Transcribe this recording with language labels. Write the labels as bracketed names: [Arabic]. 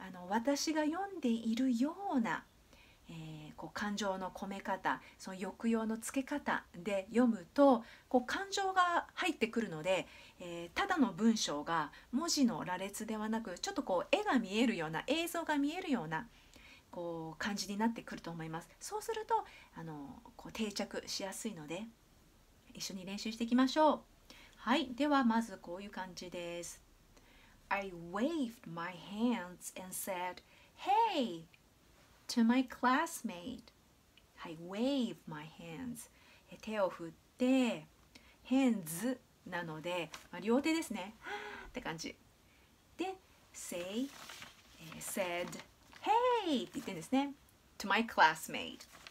[Japanese] 私が読んでいるような、こう感情の込め方、その抑揚のつけ方で読むと、こう感情が入ってくるので、ただの文章が文字の羅列ではなく、ちょっとこう絵が見えるような、映像が見えるようなこう感じになってくると思います。そうするとこう定着しやすいので一緒に練習していきましょう。はい、ではまずこういう感じです。 [English] I waved my hands and said, Hey! to my classmate. I waved my hands. [Japanese] 手を振って、hands なので、両手ですね。って感じ。で、said, [English] Hey! [Japanese] って言ってんですね。 [English] to my classmate.